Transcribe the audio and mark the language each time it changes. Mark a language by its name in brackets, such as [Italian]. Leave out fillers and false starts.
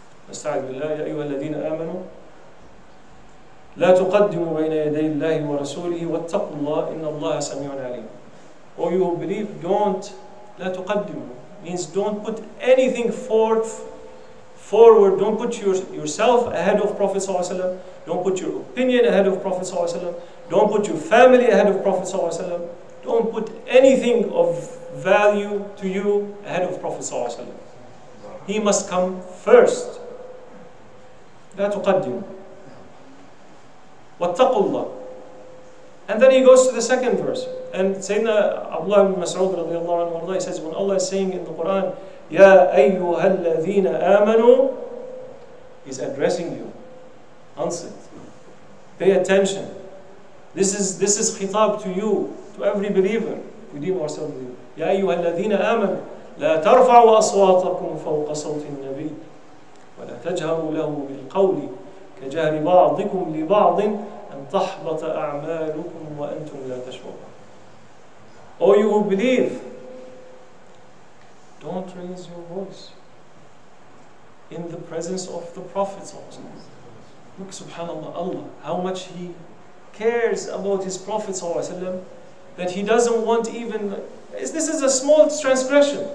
[Arabic] أستعذ بالله يا أيها الذين آمنوا لا تقدموا بين يدي الله ورسوله واتقوا الله إن الله سميع عليم. [English] Or you who believe, don't [Arabic] لا تقدموا [English] means don't put anything forward. Don't put yourself ahead of Prophet صلى الله عليه وسلم. Don't put your opinion ahead of Prophet صلى الله عليه وسلم. Don't put your family ahead of Prophet صلى الله عليه وسلم. Don't put anything of value to you ahead of Prophet صلى الله عليه وسلم. He must come first. [Arabic] لا تقدم واتقوا الله. [English] And then he goes to the second verse, and Sayyidina Abdullah ibn Mas'ud رضي الله عنه وارضاه, he says, when Allah is saying in the Quran [Arabic] يا أيها الذين آمنوا, [English] he's addressing you, answer, pay attention, this is khitab to you, to every believer, we deem ourselves with you. [Arabic] يا أيها الذين آمنوا لا ترفعوا أصواتكم فوق صوت النبي ولا تجهروا له بالقول كجهر بعضكم لبعض أن تحبط أعمالكم وأنتم لا تشعرون. [English] Oh, you who believe, don't raise your voice in the presence of the Prophet. Look, subhanAllah, Allah, how much he cares about his Prophet that he doesn't want even, this is a small transgression.